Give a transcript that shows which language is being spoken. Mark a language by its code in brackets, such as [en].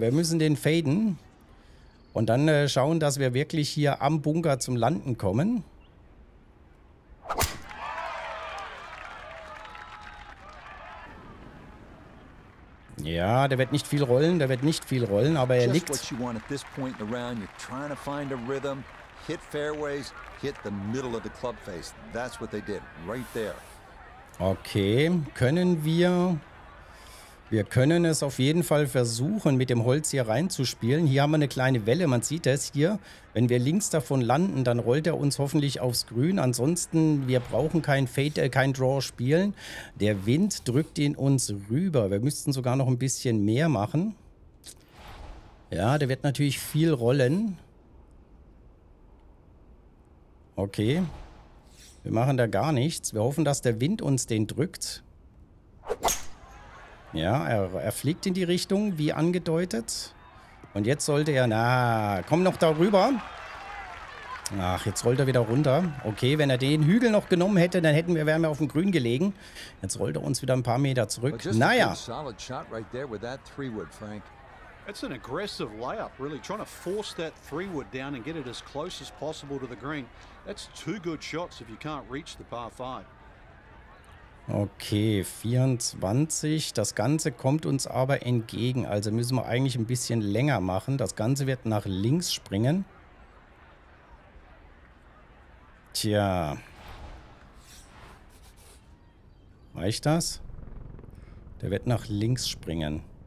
[de] Wir müssen den faden. Und dann schauen, dass wir wirklich hier am Bunker zum Landen kommen. Ja, der wird nicht viel rollen. Der wird nicht viel rollen, aber er liegt. [en] Just what you want at this point in the round. You're trying to find a rhythm. Hit fairways, hit the middle of the club face. That's what they did, right there. [de] Okay, können wir es auf jeden Fall versuchen, mit dem Holz hier reinzuspielen. Hier haben wir eine kleine Welle, man sieht das hier. Wenn wir links davon landen, dann rollt er uns hoffentlich aufs Grün. Ansonsten, wir brauchen kein Draw spielen. Der Wind drückt ihn uns rüber. Wir müssten sogar noch ein bisschen mehr machen. Ja, der wird natürlich viel rollen. Okay. Wir machen da gar nichts. Wir hoffen, dass der Wind uns den drückt. Ja, er fliegt in die Richtung, wie angedeutet. Und jetzt sollte er... Na, komm noch da rüber. Ach, jetzt rollt er wieder runter. Okay, wenn er den Hügel noch genommen hätte, dann hätten wir, wären wir auf dem Grün gelegen. Jetzt rollt er uns wieder ein paar Meter zurück. Naja. [en] Solid shot right there with that three wood, Frank. It's an aggressive layup, really. Trying to force that three wood down and get it as close as possible to the green. That's two good shots if you can't reach the par five. [de] Okay, 24. Das Ganze kommt uns aber entgegen. Also müssen wir eigentlich ein bisschen länger machen. Das Ganze wird nach links springen. Tja. Reicht das? Der wird nach links springen.